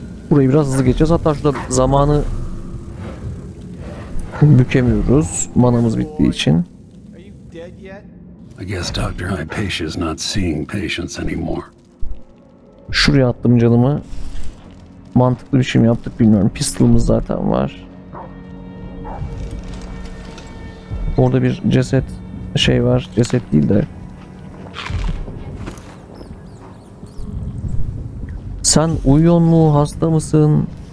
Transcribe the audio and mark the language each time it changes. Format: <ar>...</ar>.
<tr>Burayı biraz hızlı geçeceğiz. Hatta şurada zamanı bükemiyoruz. Manamız bittiği için.</tr> <en>I guess Dr. Hypatia is not seeing patients anymore.</en> <tr>Şuraya attım canımı. Mantıklı bir şey mi yaptık bilmiyorum. Pistolumuz zaten var. Orada bir ceset şey var. Ceset değil de. Sen uyuyor mu? Hasta mısın?</tr>